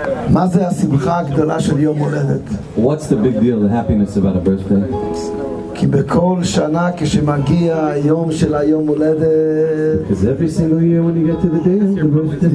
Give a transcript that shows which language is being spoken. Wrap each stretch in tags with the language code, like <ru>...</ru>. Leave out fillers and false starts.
<he>מה זה השמחה הגדולה של יום הולדת?</he> <en>What's the big deal, the happiness about a birthday?</en> <he>כי בכל שנה כשמגיע היום של היום הולדת,</he> <en>because every single year when you get to the day of the birthday,</en>